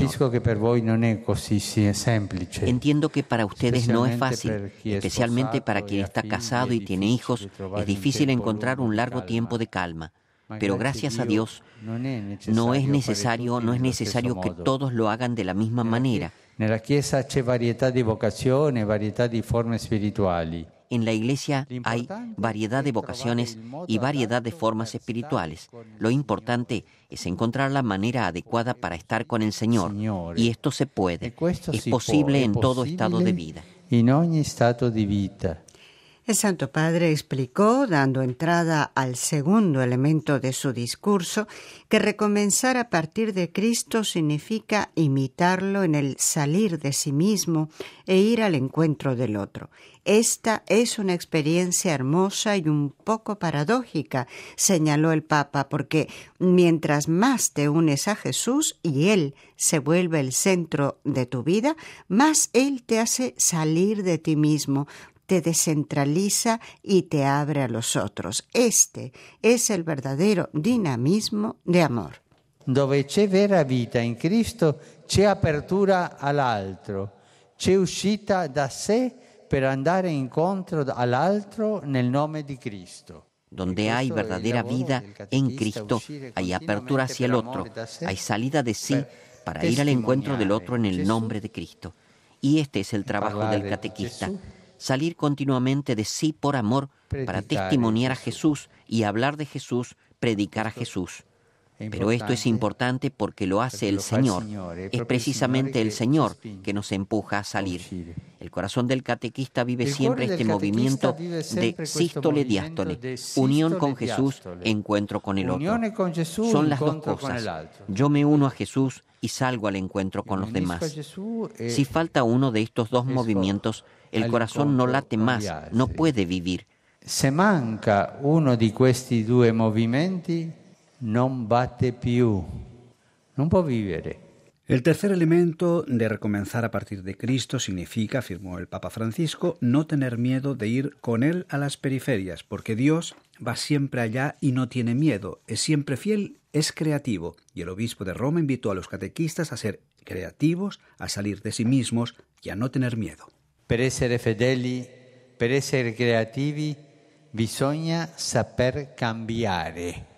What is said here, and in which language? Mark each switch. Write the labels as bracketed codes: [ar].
[it] Capisco que per voi non è così semplice. [es] Entiendo que para ustedes no es fácil, especialmente para quien está casado y tiene hijos, es difícil encontrar un largo tiempo de calma. Pero gracias a Dios, no es necesario que todos lo hagan de la misma manera. [it] Nella chiesa c'è varietà di vocazioni, varietà di forme spirituali. [es] En la iglesia hay variedad de vocaciones y variedad de formas espirituales. Lo importante es encontrar la manera adecuada para estar con el Señor. Y esto se puede. Es posible en todo estado de vida. El Santo Padre explicó, dando entrada al segundo elemento de su discurso, que recomenzar a partir de Cristo significa imitarlo en el salir de sí mismo e ir al encuentro del otro. Esta es una experiencia hermosa y un poco paradójica, señaló el Papa, porque mientras más te unes a Jesús y Él se vuelve el centro de tu vida, más Él te hace salir de ti mismo, te descentraliza y te abre a los otros. Este es el verdadero dinamismo de amor. [it] Dove c'è vera vita in Cristo, c'è apertura all'altro, c'è uscita da sé per andare incontro all'altro nel nome di Cristo. [es] Donde hay verdadera vida en Cristo, hay apertura hacia el otro, hay salida de sí para ir al encuentro del otro en el nombre de Cristo. Y este es el trabajo del catequista, salir continuamente de sí por amor para testimoniar a Jesús y hablar de Jesús, predicar a Jesús. Pero esto es importante porque lo hace el Señor. Es precisamente el Señor que nos empuja a salir. El corazón del catequista vive siempre este movimiento de sístole-diástole, unión con Jesús, encuentro con el otro. Son las dos cosas. Yo me uno a Jesús y salgo al encuentro con los demás. Si falta uno de estos dos movimientos, el corazón no late más, no puede vivir. [it] Se manca uno [es] de estos dos movimientos, [it] non batte più, non può vivere. [es] El tercer elemento de recomenzar a partir de Cristo significa, afirmó el Papa Francisco, no tener miedo de ir con Él a las periferias, porque Dios va siempre allá y no tiene miedo, es siempre fiel, es creativo. Y el obispo de Roma invitó a los catequistas a ser creativos, a salir de sí mismos y a no tener miedo. [it] Per essere fedeli, per essere creativi, bisogna saper cambiare.